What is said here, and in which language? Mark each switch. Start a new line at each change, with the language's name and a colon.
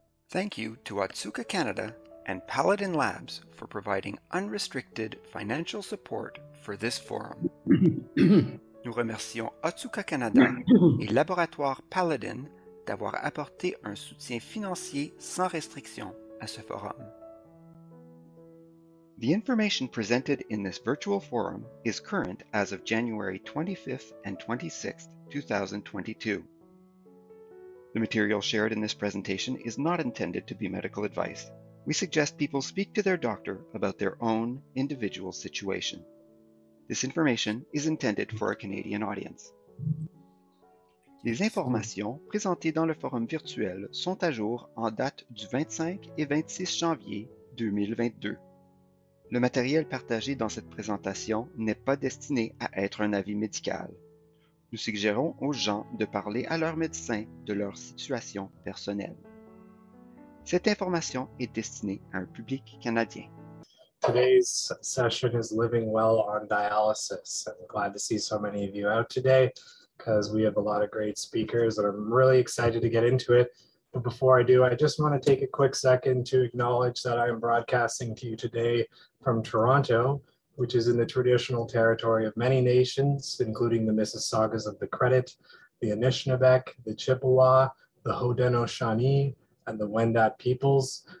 English: Thank you to Otsuka Canada and Paladin Labs for providing unrestricted financial support for this forum.
French: Nous remercions Otsuka Canada et Laboratoire Paladin d'avoir apporté un soutien financier sans restriction à ce forum.
English: The information presented in this virtual forum is current as of January 25th and 26th, 2022. The material shared in this presentation is not intended to be medical advice. We suggest people speak to their doctor about their own individual situation. This information is intended for a Canadian audience.
French: Les informations présentées dans le forum virtuel sont à jour en date du 25 et 26 janvier 2022. Le matériel partagé dans cette présentation n'est pas destiné à être un avis médical. Nous suggérons aux gens de parler à leur médecin de leur situation personnelle. Cette information est destinée à un public canadien.
English: Today's session is Living Well on Dialysis. I'm glad to see so many of you out today because we have a lot of great speakers and I'm really excited to get into it. But before I do, I just want to take a quick second to acknowledge that I am broadcasting to you today from Toronto, which is in the traditional territory of many nations, including the Mississaugas of the Credit, the Anishinaabeg, the Chippewa, the Haudenosaunee, and the Wendat peoples.